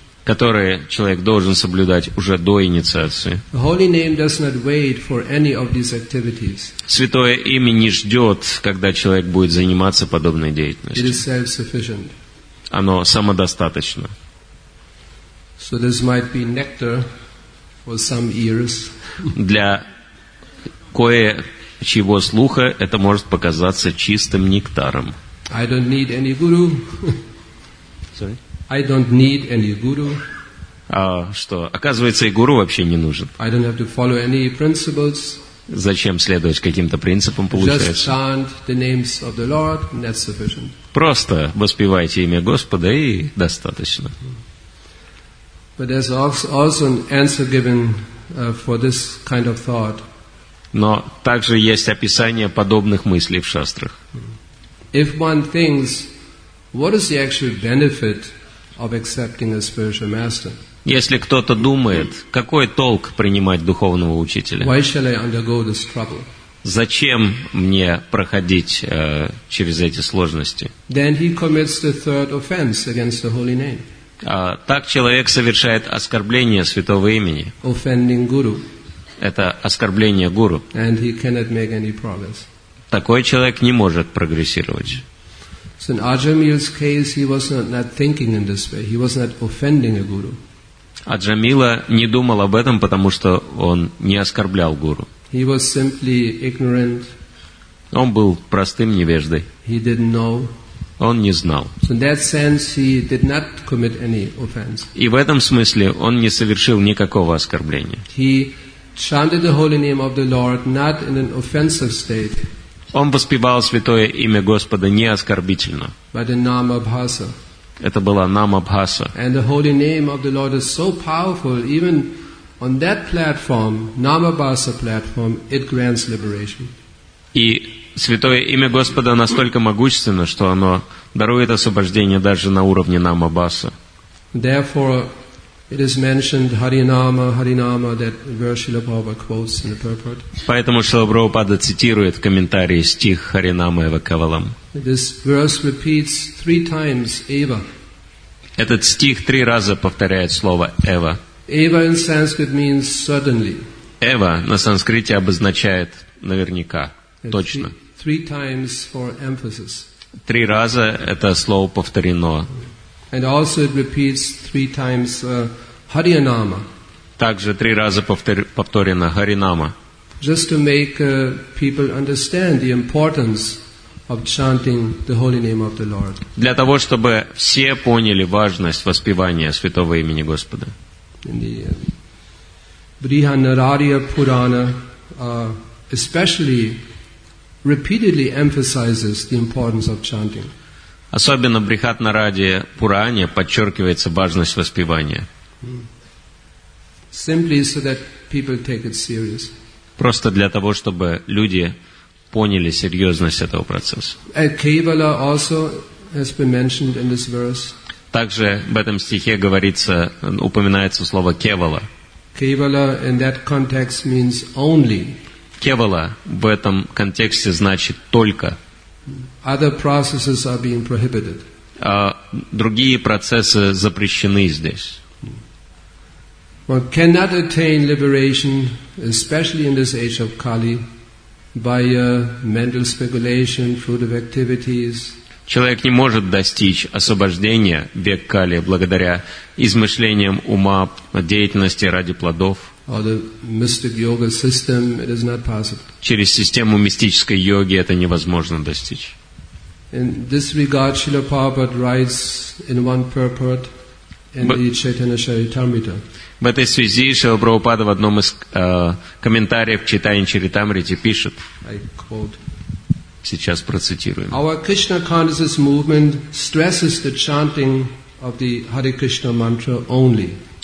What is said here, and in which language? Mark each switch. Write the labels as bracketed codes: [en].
[ru] которые человек должен соблюдать уже до инициации. [en] The holy name does not wait for any of these activities. [ru] Святое имя не ждет, когда человек будет заниматься подобной деятельностью. [en] It is self-sufficient. [ru] Оно самодостаточно. [en] So this might be nectar for some ears. [ru] Для кое-чего слуха это может показаться чистым нектаром. [en] I don't need any guru. Sorry? I don't need any guru. [ru] А что? Оказывается, и гуру вообще не нужен. [en] I don't have to follow any principles. [ru] Зачем следовать каким-то принципам, получается? [en] Just chant the names of the Lord, and that's sufficient. [ru] Просто воспевайте имя Господа, и достаточно. [en] But there's also an answer given for this kind of thought. [ru] Но также есть описание подобных мыслей в шастрах. [en] If one thinks, what is the actual benefit of accepting a spiritual master? [ru] Если кто-то думает, какой толк принимать духовного учителя? [en] Why shall I undergo this trouble? [ru] Зачем мне проходить через эти сложности? [en] Then he commits the third offense against the holy name. [ru] Так человек совершает оскорбление святого имени. [en] Offending guru. [ru] Это оскорбление гуру. [en] And he cannot make any progress. [ru] Такой человек не может прогрессировать. [en] So in Ajamila's case, he was not thinking in this way. He was not offending a guru. [ru] Аджамила не думал об этом, потому что он не оскорблял гуру. [en] He was simply ignorant. [ru] Он был простым невеждой. [en] He didn't know. [ru] Он не знал. [en] So in that sense, he did not commit any offense. [ru] И в этом смысле он не совершил никакого оскорбления. [en] He chanted the holy name of the Lord not in an offensive state. [ru] Он воспевал святое имя Господа не оскорбительно. [en] But in Namabhasa. [ru] Это была Намабхаса. [en] And the holy name of the Lord is so powerful, even on that platform, Namabhasa platform, it grants liberation. [ru] И Святое имя Господа настолько могущественно, что оно дарует освобождение даже на уровне Намабаса. [en] Therefore, it is mentioned Харинама, Харинама, that verse Шрила Прабхупада quotes in the purport. [ru] Поэтому Шрила Прабхупада цитирует в комментарии стих Харинама Эва Кавалам. [en] This verse repeats three times Eva. [ru] Этот стих три раза повторяет слово Эва. [en] Eva in Sanskrit means certainly. [ru] Эва на санскрите обозначает наверняка, точно. [en] Three times for emphasis. [ru] Три раза это слово повторено. [en] And also it repeats three times Харинама. [ru] Также три раза повторено Харинама. [en] Just to make people understand the importance of chanting the holy name of the Lord. [ru] Для того, чтобы все поняли важность воспевания святого имени Господа. [en] In the Brihannarariya Purana especially repeatedly emphasizes the importance of chanting. [ru] Особенно в Брихатнараде Пуране подчеркивается важность воспевания. [en] Simply so that people take it serious. [ru] Просто для того, чтобы люди поняли серьезность этого процесса. [en] Kevala also has been mentioned in this verse. [ru] Также в этом стихе говорится, упоминается слово Кевала. [en] Kevala in that context means only. [ru] Кевала в этом контексте значит только. [en] Other processes are being prohibited. [ru] Другие процессы запрещены здесь. [en] One cannot attain liberation, especially in this age of Kali, by mental speculation, fruitive activities. [ru] Человек не может достичь освобождения век Кали благодаря измышлениям ума, деятельности ради плодов. [en] Or the mystic yoga system, it is not possible. [ru] Через систему мистической йоги это невозможно достичь. [en] In this regard, Srila Prabhupada writes in one purport in the Chaitanya Charitamrita. [ru] В этой связи Шрила Прабхупада в одном из комментариев к Чайтанья Чаритамрите пишет. [en] I quote. [ru] Сейчас процитируем. [en] Our Krishna consciousness movement stresses the chanting of the Hare Krishna mantra only.